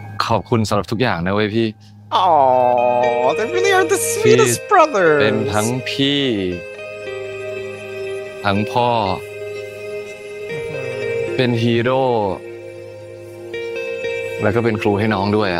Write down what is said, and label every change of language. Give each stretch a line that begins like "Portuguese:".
Thai: ขอบคุณสำหรับทุกอย่างนะเว้ยพี่อ๋อ
English: they really are the sweetest brothers
Thai: เป็นทั้งพี่ทั้งพ่อเป็นฮีโร่แล้วก็เป็นครูให้น้องด้วยอ